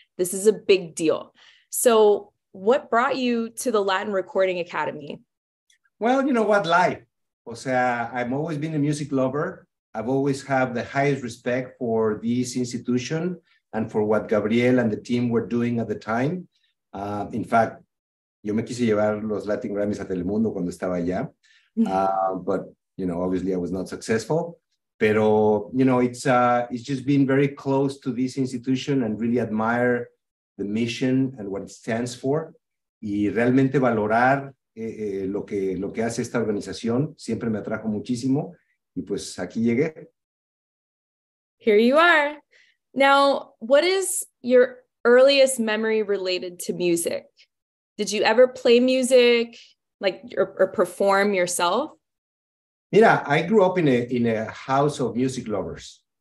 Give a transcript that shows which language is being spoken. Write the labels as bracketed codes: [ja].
[en] This is a big deal. So what brought you to the Latin Recording Academy? Well, you know what, life. [es] O sea, [en] I've always been a music lover. I've always had the highest respect for this institution and for what Gabriel and the team were doing at the time. In fact, [es] yo me quise llevar los Latin Grammys a Telemundo cuando estaba allá. [en] But, you know, obviously I was not successful. [es] Pero, [en] you know, it's just been very close to this institution and really admire the mission and what it stands for. [es] Y realmente valorar lo que hace esta organización siempre me atrajo muchísimo. Y pues aquí llegué. [en] Here you are. Now, what is your earliest memory related to music? Did you ever play music, like, or perform yourself? [es] Mira, [en] I grew up in a house of music lovers.